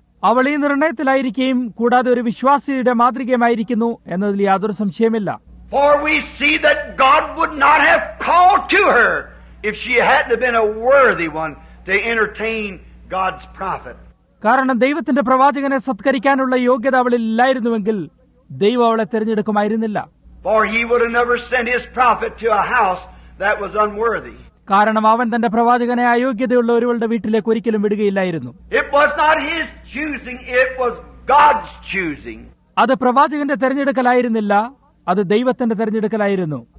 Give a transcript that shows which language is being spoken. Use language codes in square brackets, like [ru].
[ml] അവൾ ഈ നിർണയത്തിലായിരിക്കുകയും കൂടാതെ ഒരു വിശ്വാസിയുടെ മാതൃകയുമായിരിക്കുന്നു എന്നതിൽ യാതൊരു സംശയമില്ല. [en] For we see that God would not have called to her if she hadn't been a worthy one to entertain God's prophet. [ml] കാരണം ദൈവത്തിന്റെ പ്രവാചകനെ സത്കരിക്കാനുള്ള യോഗ്യത അവളിൽ ഇല്ലായിരുന്നുവെങ്കിൽ ദൈവം അവളെ തിരഞ്ഞെടുക്കുമായിരുന്നില്ല. [en] For he would have never sent his prophet to a house that was unworthy. [ml] കാരണം അവൻ തന്റെ പ്രവാചകനെ അയോഗ്യതയുള്ള ഒരുവളുടെ വീട്ടിലേക്ക് ഒരിക്കലും വിടുകയില്ലായിരുന്നു. [en] It was not his choosing, it was God's choosing. [ml] അത് പ്രവാചകന്റെ തിരഞ്ഞെടുക്കലായിരുന്നില്ല, അത് ദൈവത്തിന്റെ തെരഞ്ഞെടുക്കലായിരുന്നു.